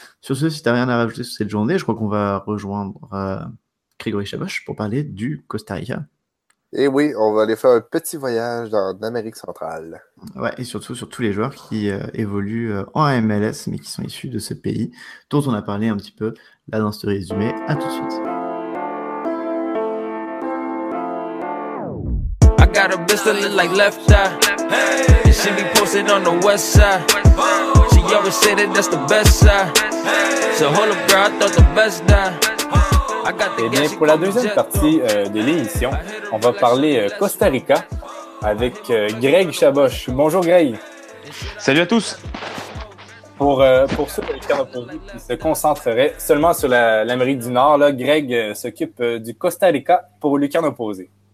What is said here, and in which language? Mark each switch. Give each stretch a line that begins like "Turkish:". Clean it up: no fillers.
French: Sur ce, si tu n'as rien à rajouter sur cette journée, je crois qu'on va rejoindre Grégory Chaboch pour parler du Costa Rica. Et oui, on va aller faire un petit voyage dans l'Amérique centrale. Ouais, et surtout sur tous les joueurs qui évoluent en MLS, mais qui sont issus de ce pays dont on a parlé un petit peu là dans ce résumé. À tout de suite.
English: Got a bitch that look like left eye. Hey, and she be posted on the west side. She always say that that's the best side. So hold up, girl, I thought the best die.
French: Et bien, pour la deuxième partie de l'émission, on va parler Costa Rica avec Greg Chaboch. Bonjour, Greg. Salut à tous. Pour ceux qui se concentreraient seulement sur l'Amérique du Nord, là, Greg s'occupe du Costa Rica pour Lucarne Opposée.